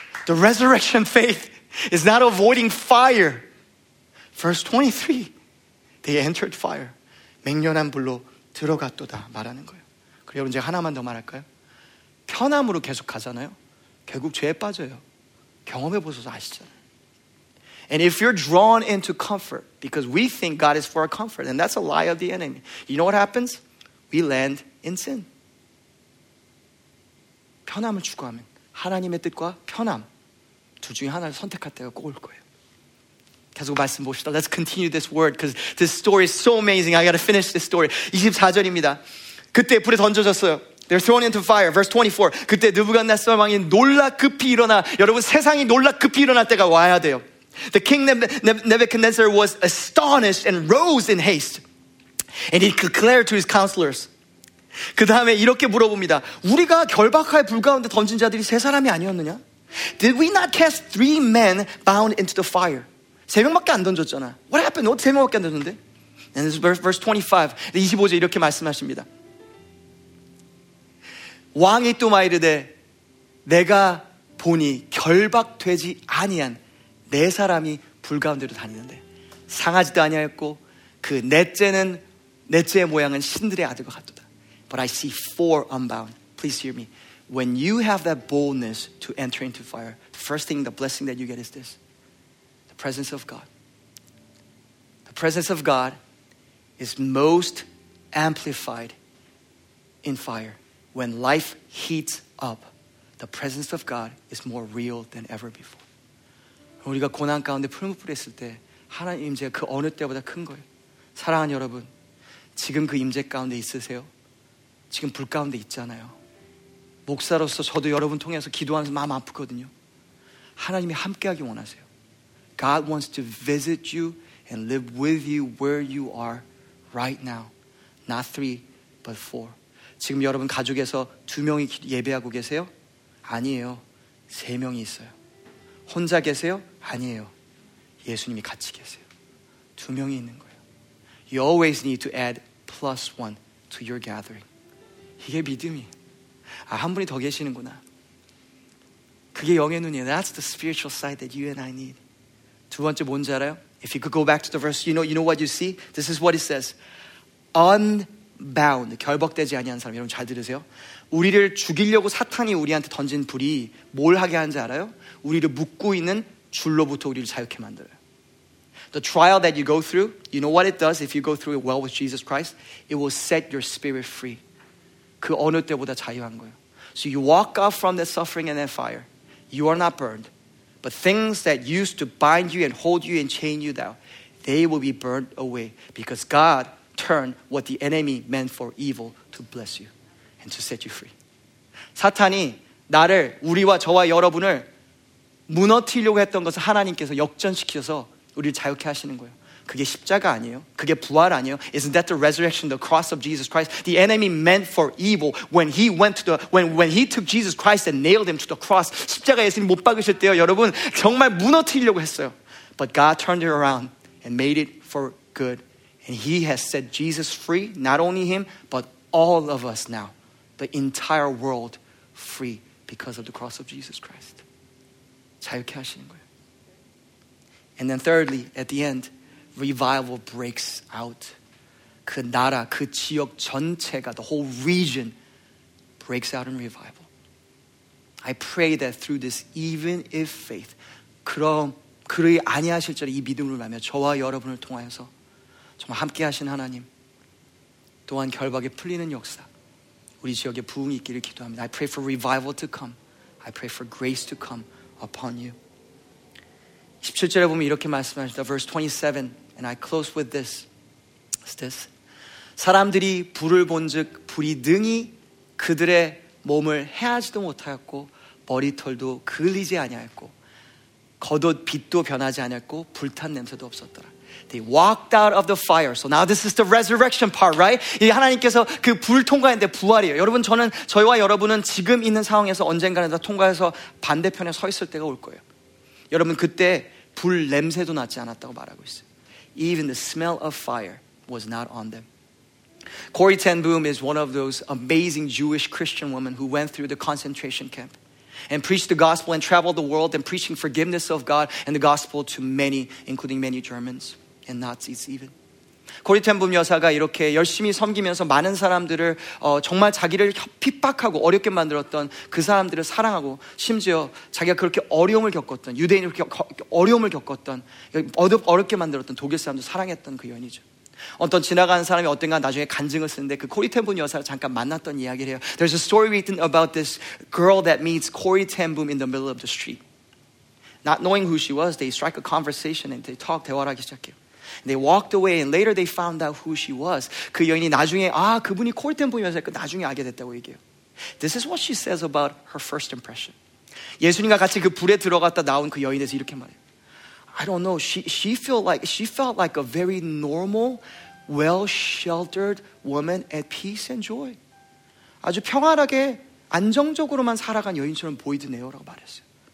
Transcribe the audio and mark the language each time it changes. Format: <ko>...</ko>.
<en>The resurrection faith is not avoiding fire. Verse 23, they entered fire.</en> <ko>맹렬한 불로 들어갔도다 말하는 거예요. 그리고 여러분, 제가 하나만 더 말할까요? 편함으로 계속 가잖아요. 결국 죄에 빠져요. 경험해 보셔서 아시잖아요.</ko> <en>And if you're drawn into comfort, because we think God is for our comfort, and that's a lie of the enemy, you know what happens? We land in sin.</en> <ko>편함을 추구하면 하나님의 뜻과 편함 둘 중에 하나를 선택할 때가 꼭 올 거예요. 계속 말씀 봅시다.</ko> <en>Let's continue this word because this story is so amazing. I gotta finish this story.</en> <ko>24절입니다. 그때 불에 던져졌어요.</ko> <en>They're thrown into fire. Verse 24.</en> <ko>그때 느부갓네살 왕이 놀라 급히 일어나. 여러분, 세상이 놀라 급히 일어날 때가 와야 돼요.</ko> <en>The king Nebuchadnezzar was astonished and rose in haste. And he declared to his counselors.</en> <ko>그 다음에 이렇게 물어봅니다. 우리가 결박하에 불 가운데 던진 자들이 세 사람이 아니었느냐?</ko> <en>Did we not cast three men bound into the fire?</en> <ko>세 명밖에 안 던졌잖아.</ko> <en>What happened?</en> <ko>세 명밖에 안 던졌는데?</ko> <en>And this is verse 25.</en> <ko>25절 이렇게 말씀하십니다. 왕이 또 말이르되 내가 보니 결박되지 아니한 네 사람이 불 가운데로 다니는데 상하지도 아니하였고 그 넷째의 모양은 신들의 아들과 같도다.</ko> <en>But I see four unbound. Please hear me. When you have that boldness to enter into fire, the first thing, the blessing that you get is this. The presence of God. The presence of God is most amplified in fire. When life heats up, the presence of God is more real than ever before.</en> <ko>우리가 고난 가운데 풀무불에 있을 때 하나님 임재가 그 어느 때보다 큰 거예요. 사랑하는 여러분, 지금 그 임재 가운데 있으세요? 지금 불 가운데 있잖아요. 목사로서 저도 여러분 통해서 기도하면서 마음 아프거든요. 하나님이 함께하기 원하세요.</ko> <en>God wants to visit you and live with you where you are right now. Not three, but four.</en> <ko>지금 여러분 가족에서 두 명이 예배하고 계세요? 아니에요. 세 명이 있어요. 혼자 계세요? 아니에요. 예수님이 같이 계세요. 두 명이 있는 거예요.</ko> <en>You always need to add plus one to your gathering.</en> <ko>이게 믿음이에요. 아, 한 분이 더 계시는구나. 그게 영의 눈이에요.</ko> <en>That's the spiritual sight that you and I need.</en> <ko>두 번째 뭔지 알아요?</ko> <en>If you could go back to the verse, you know what you see? This is what it says. Unbound.</en> <ko>결벽되지 아니한 사람. 여러분 잘 들으세요. 우리를 죽이려고 사탄이 우리한테 던진 불이 뭘 하게 하는지 알아요? 우리를 묶고 있는 줄로부터 우리를 자유케 만들어요.</ko> <en>The trial that you go through, you know what it does if you go through it well with Jesus Christ? It will set your spirit free.</en> <ko>그 어느 때보다 자유한 거예요.</ko> <en>So you walk out from that suffering and that fire. You are not burned. But things that used to bind you and hold you and chain you down, they will be burned away. Because God turned what the enemy meant for evil to bless you and to set you free.</en> <ko>사탄이 나를, 우리와 저와 여러분을 무너뜨리려고 했던 것을 하나님께서 역전시키셔서 우리를 자유케 하시는 거예요. 그게 십자가 아니에요. 그게 부활 아니에요.</ko> <en>Isn't that the resurrection, the cross of Jesus Christ? The enemy meant for evil when he went to the when he took Jesus Christ and nailed him to the cross.</en> <ko>십자가 예수님 못 박으실 때요, 여러분 정말 무너뜨리려고 했어요.</ko> <en>But God turned it around and made it for good, and He has set Jesus free. Not only him, but all of us now, the entire world free because of the cross of Jesus Christ.</en> <ko>자유케 하시는 거예요.</ko> <en>And then thirdly, at the end, revival breaks out.</en> <ko>그 나라, 그 지역 전체가,</ko> <en>the whole region breaks out in revival. I pray that through this, even if faith,</en> <ko>그럼 그리 아니하실지라도 이 믿음을 말하며 저와 여러분을 통하여서 정말 함께 하신 하나님, 또한 결박에 풀리는 역사, 우리 지역에 부흥이 있기를 기도합니다.</ko> <en>I pray for revival to come. I pray for grace to come upon you.</en> <ko>17절에 보면 이렇게 말씀하십니다.</ko> <en>Verse 27, and I close with this. It's this.</en> <ko>사람들이 불을 본즉 불이 능히 그들의 몸을 해하지도 못하였고 머리털도 그을리지 아니하였고 겉옷 빛도 변하지 아니하였고 불탄 냄새도 없었더라.</ko> <en>They walked out of the fire. So now this is the resurrection part, right?</en> <ko>이 하나님께서 그 불 통과했는데 부활이에요. 여러분, 저는 저희와 여러분은 지금 있는 상황에서 언젠가는 다 통과해서 반대편에 서 있을 때가 올 거예요. 여러분, 그때 불 냄새도 나지 않았다고 말하고 있어요.</ko> <en>Even the smell of fire was not on them. Corrie ten Boom is one of those amazing Jewish Christian women who went through the concentration camp and preached the gospel and traveled the world and preaching forgiveness of God and the gospel to many, including many Germans and Nazis even.</en> <ko>코리 텐 붐 여사가 이렇게 열심히 섬기면서 많은 사람들을 정말 자기를 핍박하고 어렵게 만들었던 그 사람들을 사랑하고 심지어 자기가 그렇게 어려움을 겪었던 유대인을 어려움을 겪었던 어렵게 만들었던 독일 사람도 사랑했던 그 여인이죠. 어떤 지나가는 사람이 어떤가 나중에 간증을 쓰는데 그 코리 텐 붐 여사를 잠깐 만났던 이야기를 해요.</ko> <en>There's a story written about this girl that meets Corrie ten Boom in the middle of the street. Not knowing who she was, they strike a conversation and they talk,</en> <ko>대화를 하기 시작해요.</ko> <en>And they walked away, and later they found out who she was.</en> <ko>그 여인이 나중에 아 그분이 콜템보면서 나중에 알게 됐다고 얘기해요.</ko> <en>This is what she says about her first impression.</en> <ko>예수님과 같이 그 불에 들어갔다 나온 그 여인에서 이렇게 말해요.</ko> <en>I don't know. She felt like a very normal, well sheltered woman at peace and joy.</en> <ko>아주 평안하게 안정적으로만 살아간 여인처럼 보이드네요라고 말했어요.</ko>